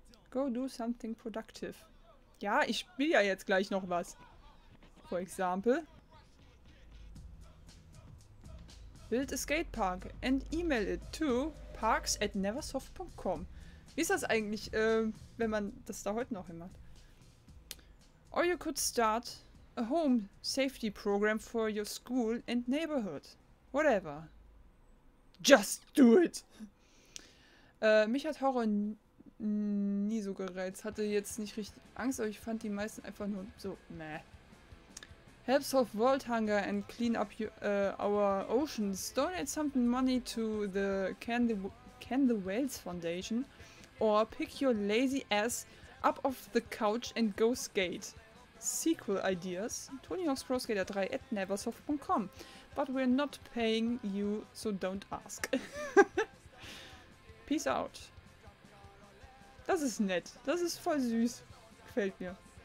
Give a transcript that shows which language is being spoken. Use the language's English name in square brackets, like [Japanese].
[English] Go do something productive. [German] Ja, ich spiele ja jetzt gleich noch was. [English] For example. Build a skatepark and email it to parks@neversoft.com. [German] Wie ist das eigentlich, wenn man das da heute noch hinmacht? [English] Or you could start a home safety program for your school and neighborhood. Whatever. Just do it. [German] Mich hat Horror nie so gereizt. Hatte jetzt nicht richtig Angst, aber ich fand die meisten einfach nur so, meh. [English] Help solve world hunger and clean up our oceans. Donate some money to the Can the Whales Foundation or pick your lazy ass up off the couch and go skate. Sequel ideas. Tony Hawk's Pro Skater 3 at neversoft.com. But we're not paying you, so don't ask. Peace out. [German] Das ist nett. Das ist voll süß. Gefällt mir.